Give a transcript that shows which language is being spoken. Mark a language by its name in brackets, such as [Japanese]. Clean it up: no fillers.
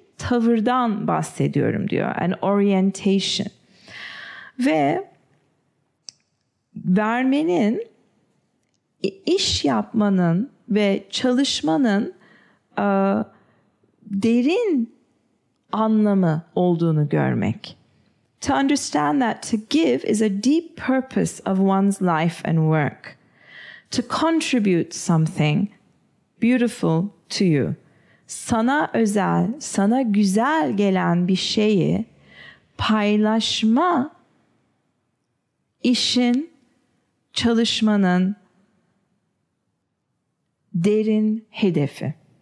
[Turkish] tavırdan bahsediyorum diyor. [English] An orientation. [Turkish] Ve vermenin, iş yapmanın ve çalışmanın derin anlamı olduğunu görmek. [English] To understand that to give is a deep purpose of one's life and work. To contribute something beautiful to you. [Turkish] Sana özel, sana güzel gelen bir şeyi paylaşma işin, çalışmanın derin hedefi.